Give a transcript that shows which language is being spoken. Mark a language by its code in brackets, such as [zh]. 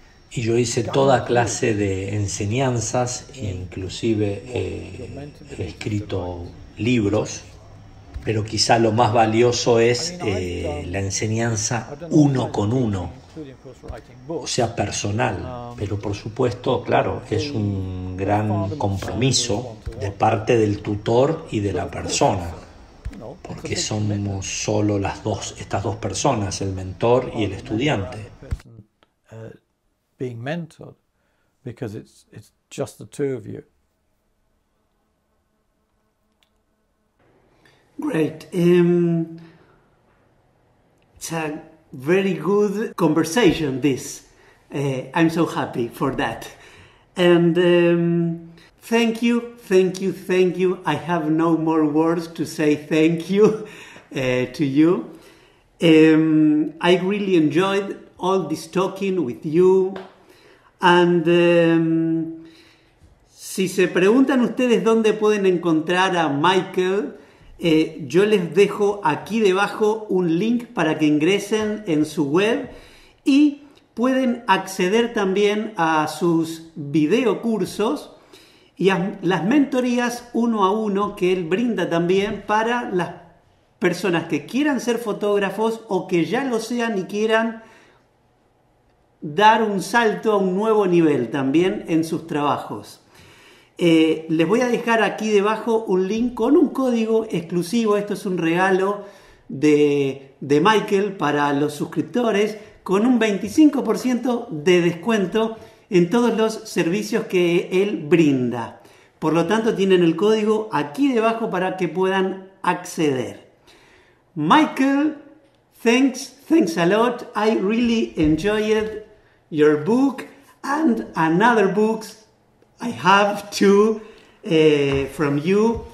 [es] Y yo hice toda clase de enseñanzas, inclusive he escrito libros, pero quizá lo más valioso es la enseñanza uno con uno, o sea, personal. Pero por supuesto, claro, es un gran compromiso de parte del tutor y de la persona, porque somos solo las dos, estas dos personas, el mentor y el estudiante. [en] Being mentored, because it's just the two of you. Great. It's a very good conversation, this. I'm so happy for that. And thank you. I have no more words to say thank you to you. I really enjoyed all this talking with you. [es] And si se preguntan ustedes dónde pueden encontrar a Michael, yo les dejo aquí debajo un link para que ingresen en su web y pueden acceder también a sus videocursos y a las mentorías uno a uno que él brinda también para las personas que quieran ser fotógrafos o que ya lo sean y quieran dar un salto a un nuevo nivel también en sus trabajos. Les voy a dejar aquí debajo un link con un código exclusivo. Esto es un regalo de Michael para los suscriptores, con un 25% de descuento en todos los servicios que él brinda. Por lo tanto, tienen el código aquí debajo para que puedan acceder. [en] Michael, thanks a lot. I really enjoyed your book and another books I have too from you.